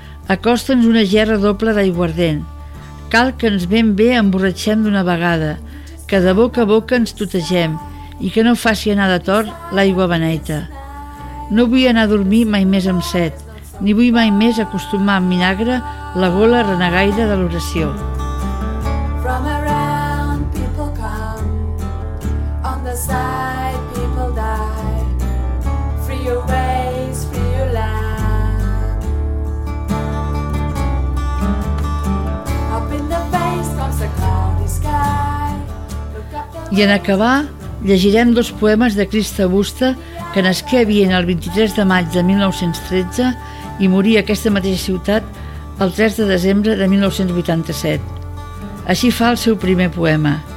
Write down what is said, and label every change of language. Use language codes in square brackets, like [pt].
[ca] Acosta'ns una gerra doble d'aiguardent. Cal que ens ben bé emborratxem d'una vegada, que de boca a boca ens tutegem i que no faci anar de tort l'aigua beneita. No vull anar a dormir mai més amb set, ni vull mai més acostumar amb vinagre la gola renegaire de l'oració. [en] From around people come, on the side people die, free your ways, free your land. Up in the face comes the cloudy sky. [ca] I en acabar, llegirem dos poemes de Christa Busta, que nasqué a Viena el 23 de maig de 1913 i morí a aquesta mateixa ciutat el 3 de desembre de 1987. Així fa el seu primer poema.